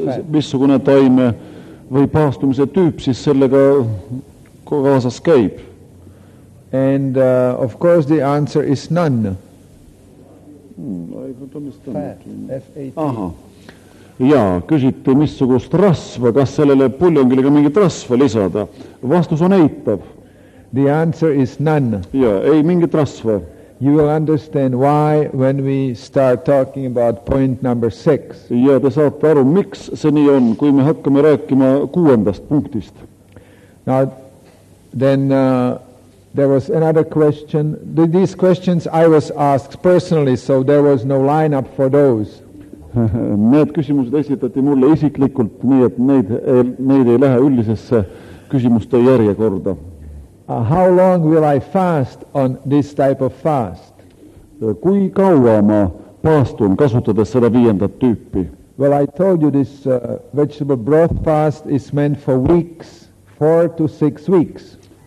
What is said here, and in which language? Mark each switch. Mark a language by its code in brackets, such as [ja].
[et] Missugune taime või paastumise tüüp siis sellega kaasas käib? [en] And of course the answer is none. I don't understand. Fat, F-A-T. [et] Aha. Ja küsiti, missugust rasva, kas sellele puljongile ka mingit rasva lisada. Vastus on eitav. [en] The answer is none. [et] Ja ei mingit rasva. [en] You will understand why when we start talking about point number 6. [et] Ja te saate aru, miks see nii on, kui me hakkame rääkima kuuendast punktist. [en] Now, then there was another question. These questions I was asked personally, so there was no lineup for those. [et] Need küsimused esitati mulle isiklikult, nii et neid ei lähe üldisesse küsimuste järjekorda. [en] How long will I fast on this type of fast? [et] Kui kaua ma paastun kasutades seda viiendat tüüpi? [en] Well, I told you this vegetable broth fast is meant for weeks, 4 to 6 weeks.